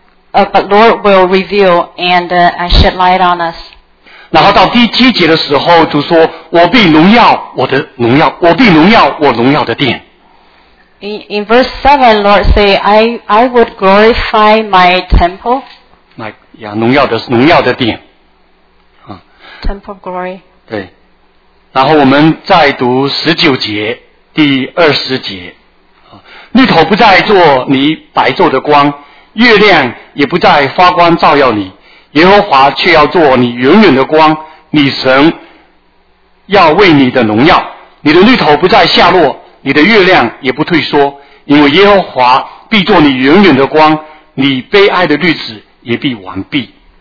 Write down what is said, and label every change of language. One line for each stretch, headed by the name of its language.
English: but Lord will reveal and shed light on us.
Chinese: 然后到第七节的时候, 主说, 我必荣耀我的荣耀, 我必荣耀我荣耀的殿。
English: In verse 7, Lord say, I would glorify my temple.
Chinese: 荣耀的殿。
English: Temple of glory.
Chinese: 对, 然后我们再读19节, 第20节, 日头不再做你白昼的光, 月亮也不再发光照耀你, 耶和华却要做你永远的光, 你神要为你的荣耀, 你的日头不再下落, 你的月亮也不退缩, 因为耶和华必做你永远的光, 你悲哀的日子也必完毕。